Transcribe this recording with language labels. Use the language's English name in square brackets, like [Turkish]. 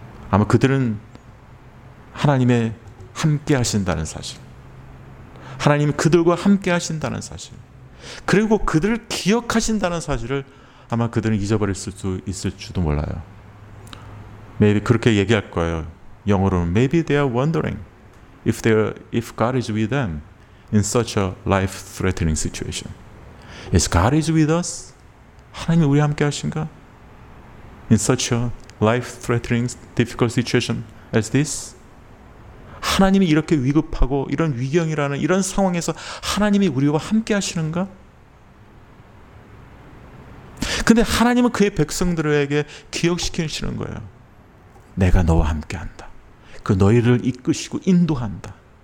[Korean] 아마 그들은 하나님의 함께 하신다는 사실, 하나님이 그들과 함께 하신다는 사실, 그리고 그들을 기억하신다는 사실을 아마 그들은 잊어버렸을 수 있을지도 몰라요. Maybe 그렇게 얘기할 거예요. 영어로는 [English] Maybe they are wondering if God is with them in such a life-threatening situation. Is God is with us? [Korean] 하나님이 우리와 함께 하신가? [English] In such a life-threatening, difficult situation as this? [Korean] 하나님이 이렇게 위급하고 이런 위경이라는 이런 상황에서 하나님이 우리와 함께 하시는가? 근데 하나님은 그의 백성들에게 기억시키시는 거예요. 내가 너와 함께한다. 그 너희를 이끄시고 인도한다.